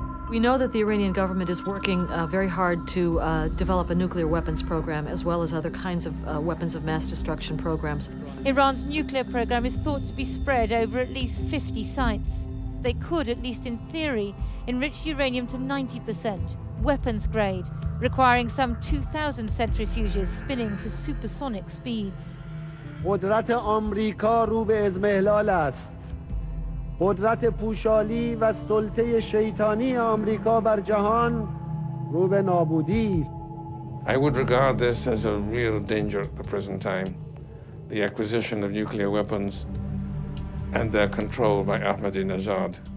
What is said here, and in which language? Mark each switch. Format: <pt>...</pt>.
<en>We know that the Iranian government is working very hard to develop a nuclear weapons program, as well as other kinds of weapons of mass destruction programs. Iran's nuclear program is thought to be spread over at least 50 sites. They could, at least in theory, enriched uranium to 90%, weapons grade, requiring some 2,000 centrifuges spinning to supersonic speeds.</en> <fa>قدرت آمریکا رو به اضمحلال است. قدرت پوشالی و سلطه شیطانی آمریکا بر جهان رو به نابودی.</fa> <en>I would regard this as a real danger at the present time, the acquisition of nuclear weapons and their control by Ahmadinejad.</en>